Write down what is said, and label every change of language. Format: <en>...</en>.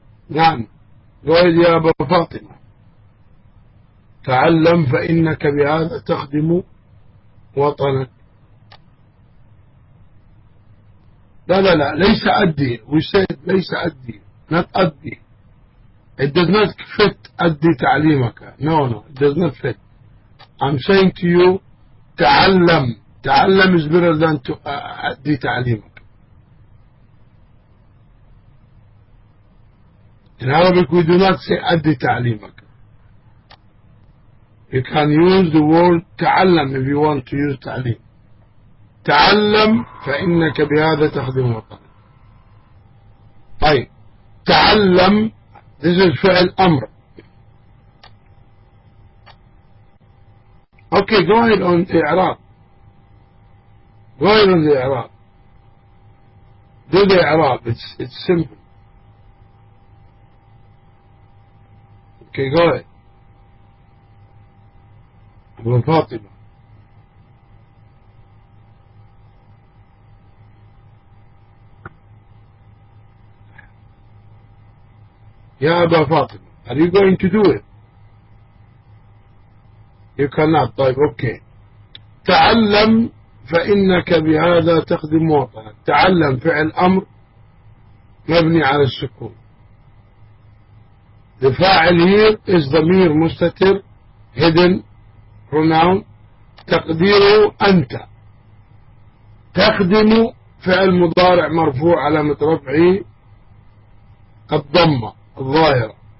<ar>نعم, قول يا أبا فاطمة. تعلم فإنك بهذا تخدم وطنك. لا لا لا, ليس أدي.</ar> <en>We said</en> <ar>ليس أدي,</ar> <en>not أدي. It does not fit</en> <ar>أدي تعليمك.</ar> <en>No, it does not fit. I'm saying to you, تعلم. تعلم is better than to</en> <ar>أدي تعليمك.</ar> <en>In Arabic, we do not say</en> <ar>أدي تعليمك.</ar> <en>You can use the word تعلم if you want to use تعليم.</en> <ar>تعلم فإنك بهذا تخدم وطنك. طيب, تعلم,</ar> <en>this is</en> <ar>فعل أمر.</ar> <en>Okay, go ahead on the إعراب. Go ahead on the إعراب. Do the إعراب, it's simple. Okay, go ahead. Abu Fatima. Ya Abu Fatima, are you going to do it? You cannot. طيب, okay.</en> <ar>تعلم فإنك بهذا تخدم وطنك. تعلم فعل أمر مبني على السكون.</ar> <en>The فاعل here is</en> <ar>ضمير مستتر,</ar> <en>hidden pronoun.</en> <ar>تقديره أنت. تخدم فعل مضارع مرفوع علامة رفعه الضمة الظاهرة.</ar>